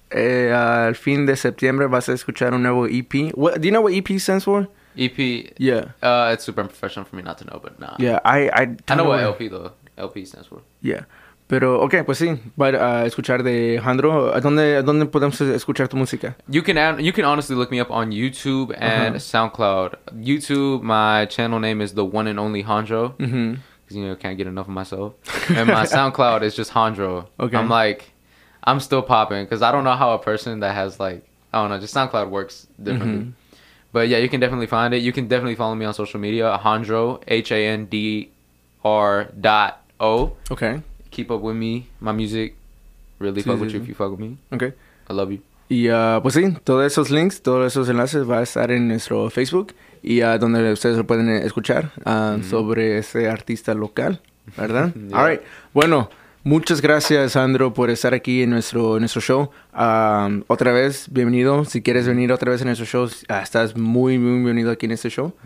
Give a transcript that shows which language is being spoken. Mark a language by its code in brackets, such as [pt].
[es] Al fin de septiembre vas a escuchar un nuevo EP. [en] What, do you know what EP stands for? EP? Yeah. It's super unprofessional for me not to know, but nah. Yeah, I don't know what LP, though. LP stands for. [es] Yeah. Pero, okay, pues sí. Para escuchar de Alejandro, ¿dónde podemos escuchar tu música? [en] You can honestly look me up on YouTube and uh-huh. SoundCloud. YouTube, my channel name is The One and Only Alejandro. Because, you know, I can't get enough of myself. And my SoundCloud is just Alejandro. Okay. I'm like, I'm still popping because I don't know how a person that has, like, I don't know, just SoundCloud works differently. Mm-hmm. But, yeah, you can definitely find it. You can definitely follow me on social media. Alejandro, Alejandro. Okay. Keep up with me, my music. Really fuck with you if you fuck with me. Okay. I love you. [es] Y pues sí, todos esos links, todos esos enlaces va a estar en nuestro Facebook y donde ustedes lo pueden escuchar mm-hmm. sobre ese artista local, ¿verdad? [en] Yeah. All right. [es] Bueno, muchas gracias, Andro, por estar aquí en nuestro show. Otra vez, bienvenido. Si quieres venir otra vez en nuestro show, estás muy, muy bienvenido aquí en este show.